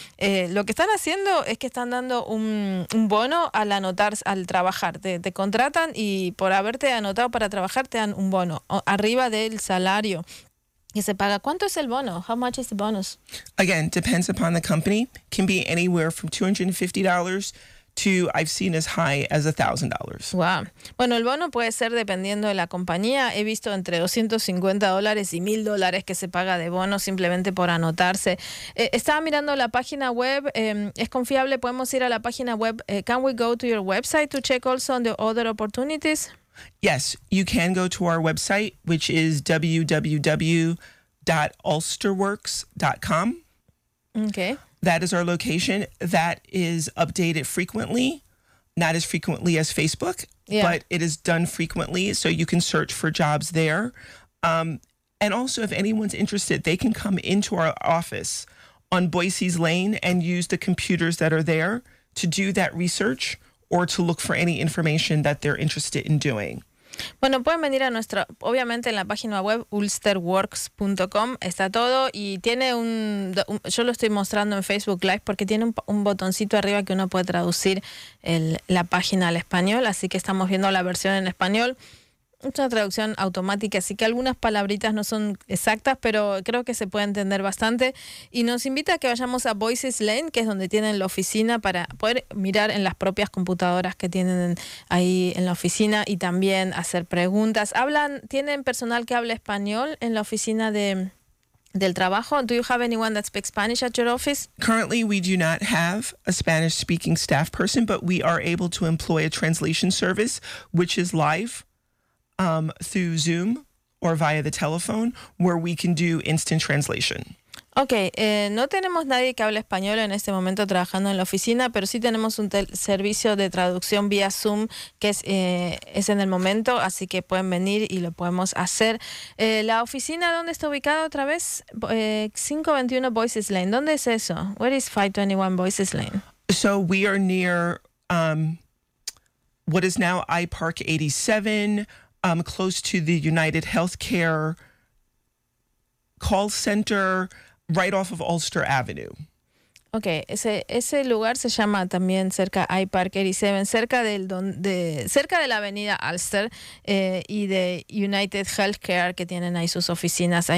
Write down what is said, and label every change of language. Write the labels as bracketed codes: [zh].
[es] Lo que están haciendo es que están dando un bono al anotarse, al trabajar. Te contratan y por haberte anotado para trabajar te dan un bono arriba del salario que se paga. ¿Cuánto es el bono? [en] How much is the bonus? Again, depends upon the company. Can be anywhere from $250 to I've seen as high as $1,000. Wow. [es] Bueno, el bono puede ser dependiendo de la compañía. He visto entre $250 y $1,000 que se paga de bono simplemente por anotarse. Estaba mirando la página web. ¿Es confiable? ¿Podemos ir a la página web? [en] Can we go to your website to check also on the other opportunities? Yes, you can go to our website, which is www.ulsterworks.com. Okay. That is our location. That is updated frequently, not as frequently as Facebook, yeah, but it is done frequently. So you can search for jobs there. And also, if anyone's interested, they can come into our office on Boise's Lane and use the computers that are there to do that research or to look for any information that they're interested in doing. [es] Bueno, pueden venir a nuestra, obviamente en la página web ulsterworks.com está todo y tiene un, yo lo estoy mostrando en Facebook Live porque tiene un botoncito arriba que uno puede traducir la página al español, así que estamos viendo la versión en español. Es una traducción automática, así que algunas palabritas no son exactas, pero creo que se puede entender bastante. Y nos invita a que vayamos a Boise's Lane, que es donde tienen la oficina, para poder mirar en las propias computadoras que tienen ahí en la oficina y también hacer preguntas. ¿Hablan, tienen personal que habla español en la oficina del trabajo? [en] Do you have anyone that speaks Spanish at your office? Currently, we do not have a Spanish-speaking staff person, but we are able to employ a translation service, which is live. Through Zoom or via the telephone, where we can do instant translation. [es] Okay, no tenemos nadie que hable español en este momento trabajando en la oficina, pero sí tenemos un servicio de traducción vía Zoom que es en el momento, así que pueden venir y lo podemos hacer. La oficina, ¿dónde está ubicada otra vez? 521 Boise's Lane. ¿Dónde es eso? [en] Where is 521 Boise's Lane? So we are near what is now iPark 87, close to the United Healthcare call center, right off of Ulster Avenue. [es] Okay, ese lugar se llama también cerca iPark 87, cerca de la avenida Ulster y de United Healthcare, que tienen ahí sus oficinas.